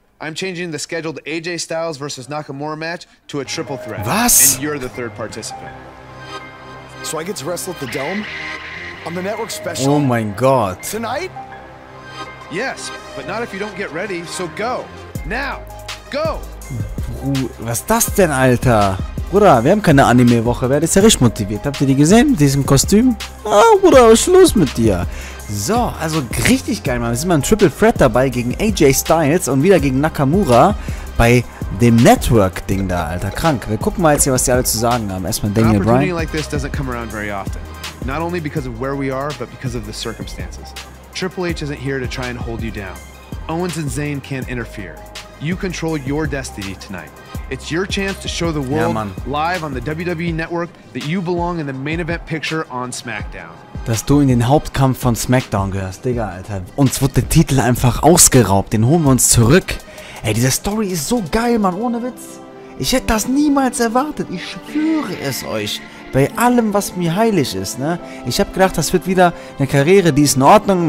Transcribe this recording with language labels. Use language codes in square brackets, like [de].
[en] I'm changing the scheduled AJ Styles versus Nakamura match to a triple threat. [de] Was? [en] And you're the third participant. So I get to wrestle at the Dome? On the network special? Oh my god. Tonight? Yes, but not if you don't get ready, so go. Now, go! [de] Was das denn, Alter? Bruder, wir haben keine Anime-Woche, wer ist ja richtig motiviert? Habt ihr die gesehen mit diesem Kostüm? Ah, Bruder, was ist los mit dir? So, also richtig geil, Mann. Wir sind mal ein Triple Threat dabei gegen AJ Styles und wieder gegen Nakamura bei dem Network-Ding da, Alter. Krank. Wir gucken mal jetzt hier, was die alle zu sagen haben. Erstmal Daniel Bryan. [en] Opportunity like this doesn't come around very often. Not only because of where we are, but because of the circumstances. Triple H isn't here to try and hold you down. Owens and Zayn can't interfere. You control your destiny tonight. It's your chance to show the world, [de] ja, [en] live on the WWE Network that you belong in the main event picture on SmackDown. [de] Dass du in den Hauptkampf von SmackDown gehörst, Digga, Alter. Uns wurde der Titel einfach ausgeraubt, den holen wir uns zurück. Ey, diese Story ist so geil, Mann, ohne Witz. Ich hätte das niemals erwartet, ich schwöre es euch. Bei allem, was mir heilig ist, ne? Ich habe gedacht, das wird wieder eine Karriere, die ist in Ordnung.